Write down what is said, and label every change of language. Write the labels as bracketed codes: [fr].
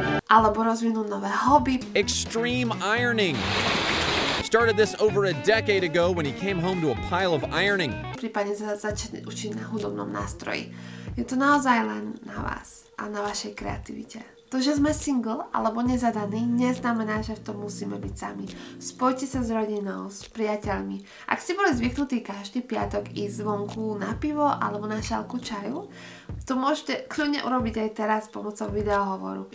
[sk] Alebo rozvinúť nové hobby. [en] Extreme ironing. Started this over a decade ago when he came home to a pile of ironing. [sk] Prípadne sa začať učiť na hudobnom nástroji. Je to naozaj len na vás a na vašej kreativite. To, že sme single alebo nezadaní, neznamená, že v tom musíme byť sami. Spojte sa s rodinou, s priateľmi. Ak ste boli zvyknutí každý piatok ísť zvonku na pivo alebo na šálku čaju, to môžete kľudne urobiť aj teraz pomocou videohovoru.